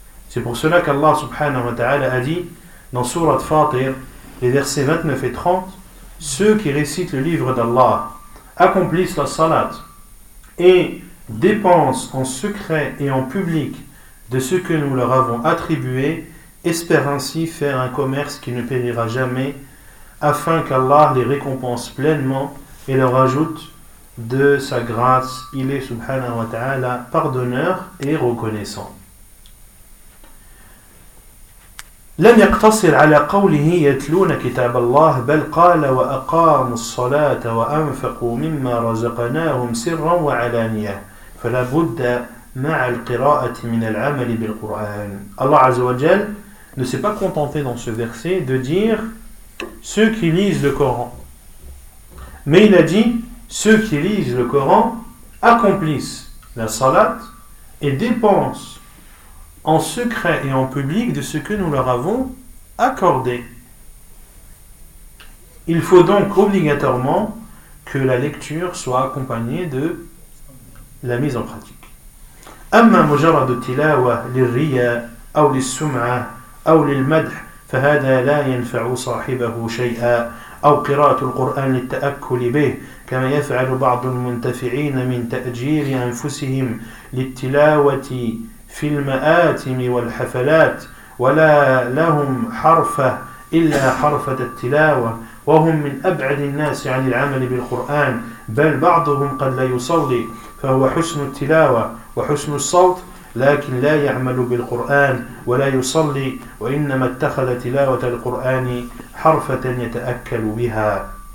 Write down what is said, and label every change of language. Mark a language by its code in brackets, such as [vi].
[fr] C'est pour cela qu'Allah subhanahu wa ta'ala a dit dans Sourate Fatir, les versets 29 et 30, « Ceux qui récitent le livre d'Allah accomplissent la salat et dépensent en secret et en public de ce que nous leur avons attribué, espèrent ainsi faire un commerce qui ne périra jamais, afin qu'Allah les récompense pleinement et leur ajoute de sa grâce. Il est subhanahu wa ta'ala pardonneur et reconnaissant. [ar] » لم يقتصر على قوله يتلون كتاب الله بل قال وأقاموا الصلاة وأنفقوا مما رزقناهم سرا وعلانية. فلا بد مع القراءة من العمل بالقرآن. [fr] الله عز وجل ne s'est pas contenté dans ce verset de dire ceux qui lisent le Coran, mais il a dit ceux qui lisent le Coran accomplissent la salat et dépensent en secret et en public de ce que nous leur avons accordé. Il faut donc obligatoirement que la lecture soit accompagnée de la mise en pratique. [ar] أما مجرد التلاوة للرياء أو للسمعة أو للمدح فهذا لا ينفع صاحبه شيئا أو قراءة القرآن للتأكل به كما يفعل بعض المنتفعين من تأجير أنفسهم للتلاوة في المآتم والحفلات ولا لهم حرفة إلا حرفة التلاوة وهم من أبعد الناس عن العمل بالقرآن بل بعضهم قد لا يصلي فهو حسن التلاوة وحسن الصوت لكن لا يعمل بالقرآن ولا يصلي وإنما اتخذ تلاوة القرآن حرفة يتأكل بها